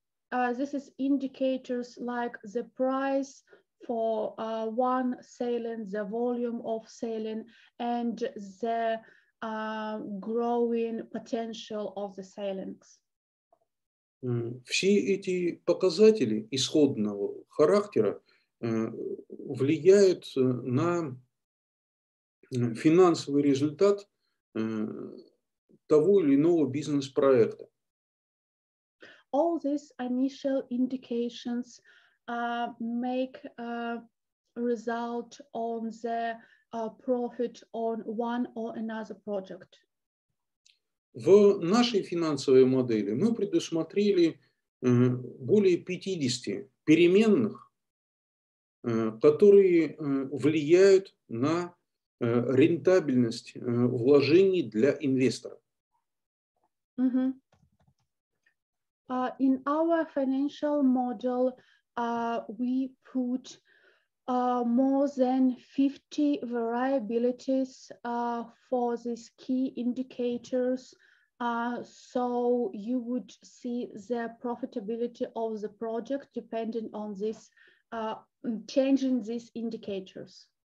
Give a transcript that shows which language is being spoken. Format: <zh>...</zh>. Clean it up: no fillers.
<en>This is indicators like the price for one selling, the volume of selling, and the growing potential of the sellings.</en> <ru>Все эти показатели исходного характера влияют на финансовый результат того или иного бизнес-проекта.</ru> <en>All these initial indications make a result on the profit on one or another project.</en> <ru>В нашей финансовой модели мы предусмотрели более 50 переменных, которые влияют на рентабельность вложений для инвестора. Mm-hmm.</ru> <en>In our financial model, we put more than 50 variabilities for these key indicators, so you would see the profitability of the project depending on this, changing these indicators.</en>